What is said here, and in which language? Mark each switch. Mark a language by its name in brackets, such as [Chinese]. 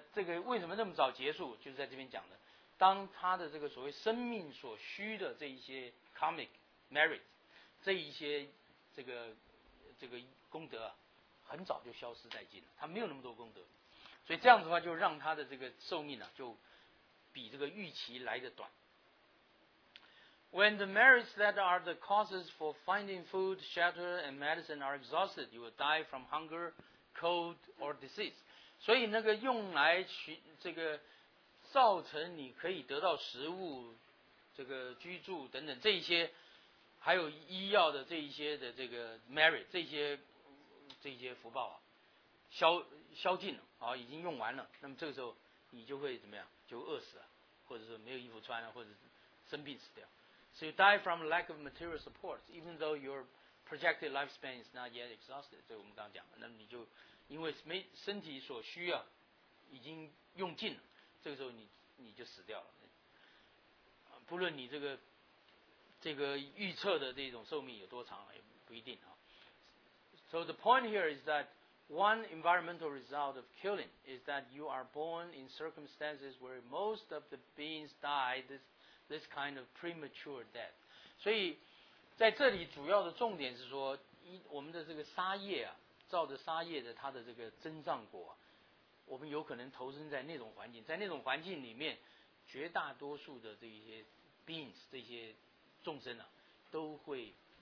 [Chinese] 那这个为什么那么早结束，就是在这边讲的，当他的这个所谓生命所需的这一些 karmic merit 这一些这个功德、啊、很早就消失殆尽了，他没有那么多功德，所以这样子的话就让他的这个寿命呢、啊、就比这个预期来得短。 [English] When the merits that are the causes for finding food, shelter, and medicine are exhausted, you will die from hunger, cold, or disease. [Chinese] 所以那个用来这个造成你可以得到食物这个居住等等这些还有医药的这一些的这个 merit 这些福报啊，消尽了啊，已经用完了。那么这个时候你就会怎么样？就饿死了，或者说没有衣服穿了，或者生病死掉。 [English] So you die from lack of material support, even though your projected lifespan is not yet exhausted. [Chinese] 这我们刚刚讲的，那么你就因为没身体所需啊，已经用尽了，这个时候你就死掉了。不论你这个预测的这种寿命有多长也不一定啊。 [English] So the point here is that one environmental result of killing is that you are born in circumstances where most of the beings die this kind of premature death. [Chinese] 所以在这里主要的重点是说，我们的这个杀业啊，造的杀业的它的这个增上果，我们有可能投身在那种环境，在那种环境里面，绝大多数的这些 beings 这些众生啊都会